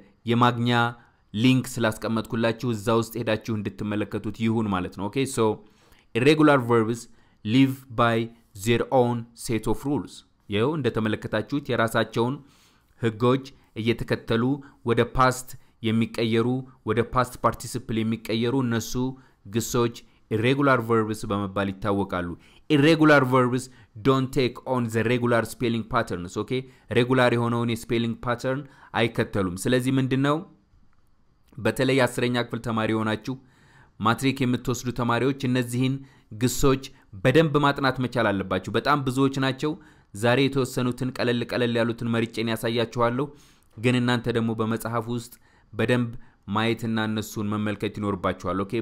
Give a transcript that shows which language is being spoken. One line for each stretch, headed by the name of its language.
Amharic: የማግኛ ሊንክ ስላስቀመጥኩላችሁ እዛ ውስጥ ሄዳችሁ እንድትመለከቱት ይሁን ማለት ነው ኦኬ ሶ
English: irregular verbs live by their own set of rules
Amharic: ይሄው እንደተመለከታችሁት የራሳቸውን ህጎች እየተከተሉ ወደ past የሚቀየሩ ወደ past participle የሚቀየሩ እነሱ ግሶች
English: irregular verbs
Amharic: በመባል ይታወቃሉ።
English: irregular verbs don't take on the regular spelling patterns, okay?
Amharic: regular የሆነውን spelling pattern አይከተሉም። ስለዚህ ምንድነው? በተለይ 10ኛ ክፍል ተማሪ ሆናችሁ ማትሪክ የምትወስዱ ተማሪዎች እነዚህን ግሶች በደንብ ማጥናት መቻል አለባችሁ። በጣም ብዙዎች ናቸው። ዛሬ የተወሰኑትን ቀለል ቀለል ያሉትን መርጬን ያሳያችኋለሁ። ግን እናንተ ደግሞ በመጽሐፍ ውስጥ በደንብ ማየትና እነሱን መመልከት ይኖርባችኋል። ኦኬ?